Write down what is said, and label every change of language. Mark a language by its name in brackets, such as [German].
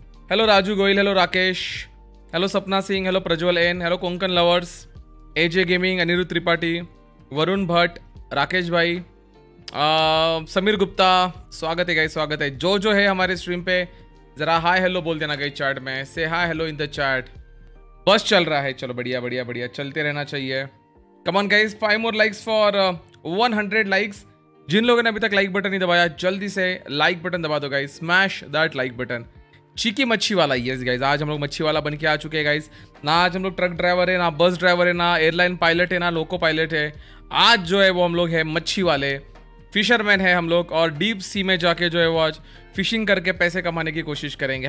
[Hindi] Hello Raju Goyal, hello Rakesh, hello सपना Singh, hello Prajwal N, hello Konkan lovers, एजे gaming, Anirudh Tripathi, Varun Bhatt, Rakesh भाई, समीर गुप्ता, स्वागत है गाइस, स्वागत है. जो जो है हमारे स्ट्रीम पे जरा हाय हेलो बोल देना गाइस चैट में, [English] से hi hello in the chat. [Hindi] बस चल रहा है, चलो बढ़िया बढ़िया बढ़िया, चलते रहना चाहिए. [English] Come on guys, 5 more likes for 100 likes. [Hindi] जिन लोगों ने अभी तक लाइक बटन नहीं दबाया जल्दी से लाइक बटन दबा दो guys, [English] Smash that like button. [Hindi] Cheeky मच्छी वाला, यस गाइज, आज हम लोग मच्छी वाला बन के आ चुके हैं गाइज. ना आज हम लोग ट्रक ड्राइवर है, ना बस ड्राइवर है, ना एयरलाइन पायलट है, ना लोको पायलट है. आज जो है वो हम लोग है मच्छी वाले फिशरमैन है हम लोग, और डीप सी में जाके जो है वो आज फिशिंग करके पैसे कमाने की कोशिश करेंगे.